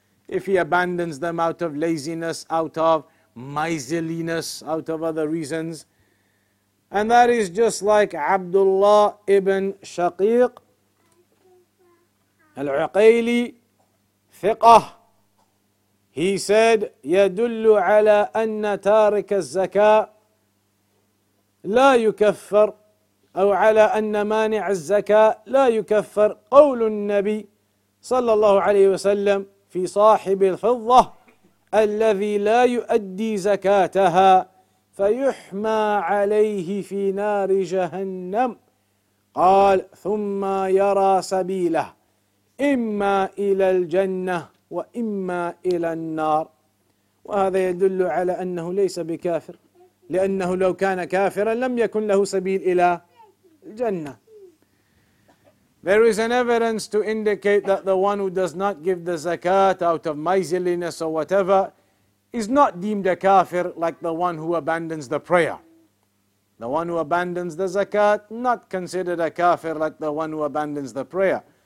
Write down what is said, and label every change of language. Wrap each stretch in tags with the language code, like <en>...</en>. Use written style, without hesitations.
<en>If he abandons them out of laziness, out of miserliness, out of other reasons. And that is just like Abdullah ibn Shaqiq al-Uqayli, fiqh.</en> <ar>He said, يَدُلُّ عَلَىٰ أَنَّ تَارِكَ الزَّكَاءِ لَا يُكَفَّرْ أَوْ عَلَىٰ أَنَّ مَانِعَ الزَّكَاءِ لَا يُكَفَّرْ قَوْلُ النَّبِي صلى الله عليه وسلم في صاحب الفضة الذي لا يؤدي زكاتها فيحمى عليه في نار جهنم قال ثم يرى سبيله إما إلى الجنة وإما إلى النار. وهذا يدل على أنه ليس بكافر لأنه لو كان كافرا لم يكن له سبيل إلى الجنة.</ar> <en>There is an evidence to indicate that the one who does not give the zakat out of miserliness or whatever is not deemed a kafir like the one who abandons the prayer. The one who abandons the zakat, not considered a kafir like the one who abandons the prayer.</en>